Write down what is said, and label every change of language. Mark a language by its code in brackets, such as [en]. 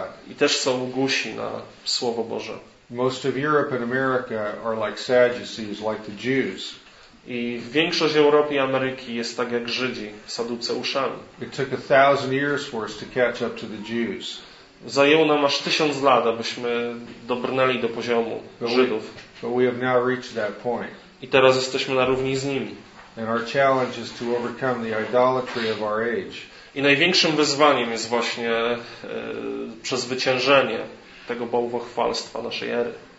[pl] I też są głusi na Słowo Boże. [en] Most of Europe and America are like Sadducees, like the Jews. [pl] I większość Europy i Ameryki jest tak jak Żydzi, Saduceuszami. [en] It took 1,000 years for us to catch up to the Jews. [pl] Zajęło nam aż 1,000 lat, abyśmy dobrnęli do poziomu Żydów. [en] But we have now reached that point. [pl] I teraz jesteśmy na równi z nimi. [en] And our challenge is to overcome the idolatry of our age. [pl] I największym wyzwaniem jest właśnie przezwyciężenie tego bałwochwalstwa naszej ery.